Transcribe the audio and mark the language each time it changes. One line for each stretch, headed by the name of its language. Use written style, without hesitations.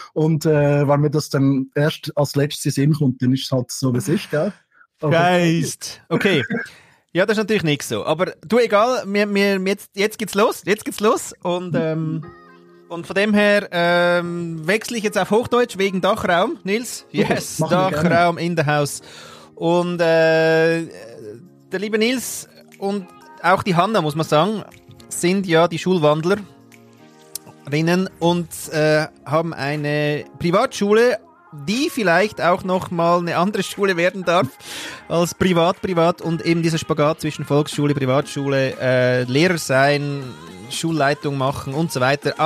German: Und wenn mir das dann erst als letztes Sinn kommt, dann ist es halt so, wie es ist, gell? Geist! Okay. Ja, das ist natürlich nicht so. Aber du, egal, jetzt geht's los. Und von dem her wechsle ich jetzt auf Hochdeutsch wegen Dachraum, Nils.
English: Yes, Dachraum in the house.
German: Und der liebe Nils und auch die Hanna, muss man sagen, sind ja die Schulwandlerinnen und haben eine Privatschule, die vielleicht auch noch mal eine andere Schule werden darf als privat und eben dieser Spagat zwischen Volksschule, Privatschule, Lehrer sein, Schulleitung machen und so weiter.